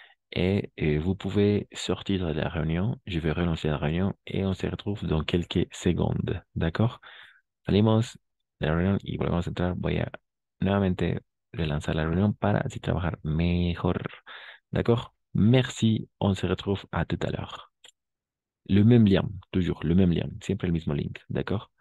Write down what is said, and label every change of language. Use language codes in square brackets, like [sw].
[fr] Et vous pouvez sortir de la réunion. Je vais relancer la réunion et on se retrouve dans quelques secondes. D'accord? [es] Salimos. La reunión y volvemos a entrar. Voy a nuevamente relanzar la reunión para así trabajar mejor. [fr] D'accord? Merci. On se retrouve à tout à l'heure. Le même lien, toujours le même lien, [es] siempre el mismo link. [fr] D'accord?